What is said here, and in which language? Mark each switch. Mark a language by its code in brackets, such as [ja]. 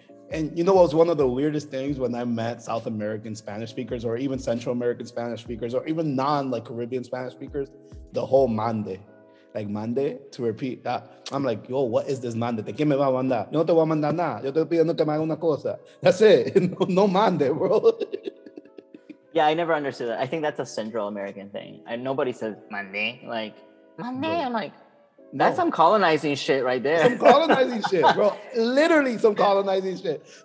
[en] And you know what was one of the weirdest things when I met South American Spanish speakers, or even Central American Spanish speakers, or even non like Caribbean Spanish speakers, the whole mande. Like mande to repeat that. I'm like, yo, what is this mande? [es] ¿De qué me va a mandar? Yo no te voy a mandar nada. Yo te estoy pidiendo que me haga una cosa. [en] That's it. No mande, bro. Yeah, I never understood that. I think that's a Central American thing. Nobody says mande. Like, mande. Bro. I'm like, that's some colonizing shit right there. Some colonizing shit, bro. Literally some colonizing shit.